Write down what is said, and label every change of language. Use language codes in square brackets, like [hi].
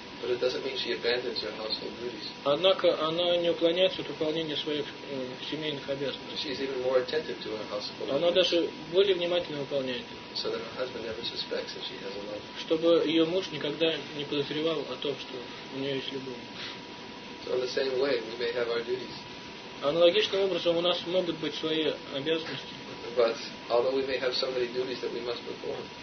[en] But it doesn't mean she abandons her household duties. [ru] Однако она не уклоняется от выполнения своих семейных обязанностей. [en] She's even more attentive to her household duties. [ru] Она даже более внимательно выполняет их. [en] So that her husband never suspects that she has a lover. [ru] Чтобы ее муж никогда не подозревал о том, что у нее есть любовник. [en] So in the same way, we may have our duties. [ru] Аналогичным образом у нас могут быть свои обязанности. [en] But although we may have so many duties that we must perform.